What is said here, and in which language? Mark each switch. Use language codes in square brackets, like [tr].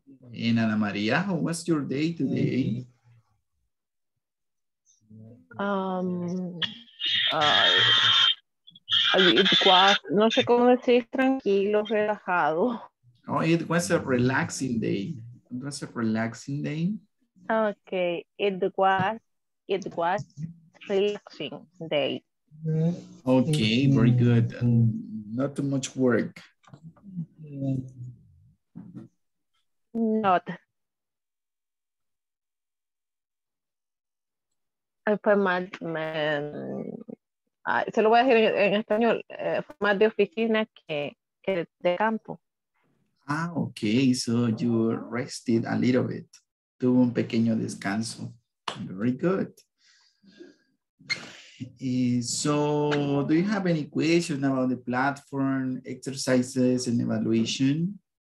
[en] And Ana Maria, how was your day today? It was, [es] no sé cómo decir, tranquilo, relajado. [en] Oh, it was a relaxing day. It was a relaxing day. Okay, it was relaxing day. Okay, very good. Not too much work. Not. [es] Fue más, se lo voy a decir en español, fue más de oficina que de campo. [en] Ah, okay, so you rested a little bit. [es] Tuvo un pequeño descanso. [en] Very good. So, do you have any questions about the platform, exercises, and evaluation?